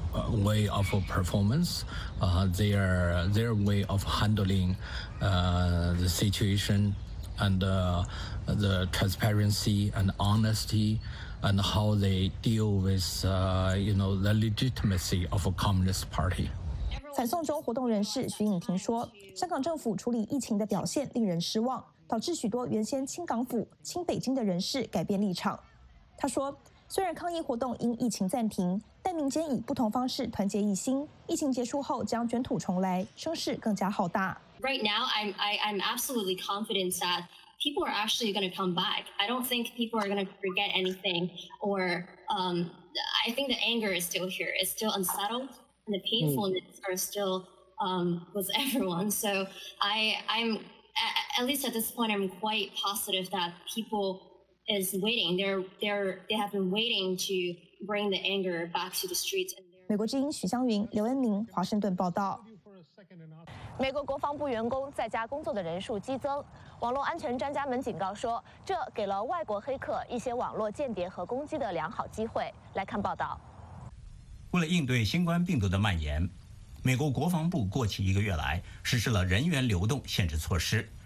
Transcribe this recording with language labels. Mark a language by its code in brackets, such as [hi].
[en] Way of performance, their way of handling the situation and the transparency and honesty and how they deal with, you know, the legitimacy of a Communist Party. [zh] 反送中活动人士徐颖婷说，香港政府处理疫情的表现令人失望，导致许多原先亲港府、亲北京的人士改变立场。他说，虽然抗议活动因疫情暂停，但民间以不同方式团结一心，疫情结束后将卷土重来，声势更加浩大。 [en] Right now, I'm absolutely confident that people are actually going to come back. I don't think people are going to forget anything, or I think the anger is still here. It's still unsettled, and the painfulness are still with everyone. So I'm at least at this point, I'm quite positive that people. Is waiting. They have been waiting to bring the anger back to the streets. [zh] 美国之音许湘云、刘恩明，华盛顿报道。美国国防部员工在家工作的人数激增，网络安全专家们警告说，这给了外国黑客一些网络间谍和攻击的良好机会。来看报道。为了应对新冠病毒的蔓延，美国国防部过去一个月来实施了人员流动限制措施。